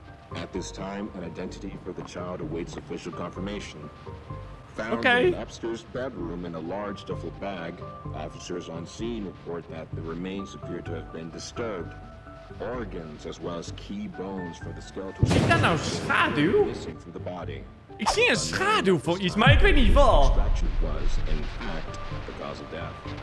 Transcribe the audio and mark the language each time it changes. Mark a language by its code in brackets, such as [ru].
[en] At this time, an identity for the child awaits official confirmation. Found okay. In Webster's bedroom in a large duffel bag, officers on scene report that the remains appear to have been disturbed. Organs as well as key bones for the skeletal. [nl] Is dat nou schaduw? [en] Missing from the body. [nl] Ik zie een schaduw voor iets, maar ik weet niet wat. [en] Extraction was in fact the cause of death.